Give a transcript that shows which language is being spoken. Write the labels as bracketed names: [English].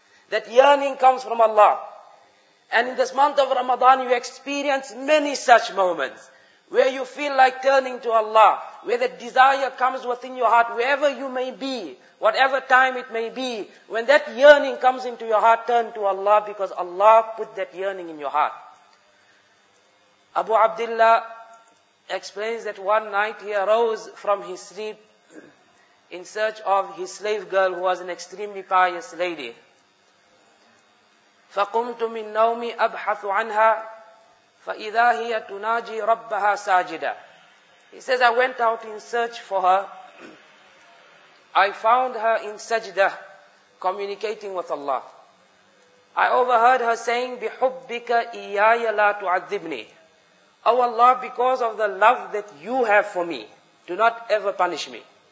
[English] That yearning comes from Allah. And in this month of Ramadan, you experience many such moments where you feel like turning to Allah, where the desire comes within your heart, wherever you may be, whatever time it may be, when that yearning comes into your heart, turn to Allah, because Allah put that yearning in your heart. Abu Abdullah explains that one night he arose from his sleep in search of his slave girl, who was an extremely pious lady. [Arabic] فَقُمْتُ مِنْ نَوْمِ أَبْحَثُ عَنْهَا فَإِذَا هِيَ تُنَاجِي رَبَّهَا سَاجِدًا [English] He says, I went out in search for her. I found her in sajda, communicating with Allah. I overheard her saying, [Arabic] بِحُبِّكَ إِيَّايَ لَا تُعَذِّبْنِي [English] Oh Allah, because of the love that you have for me, do not ever punish me.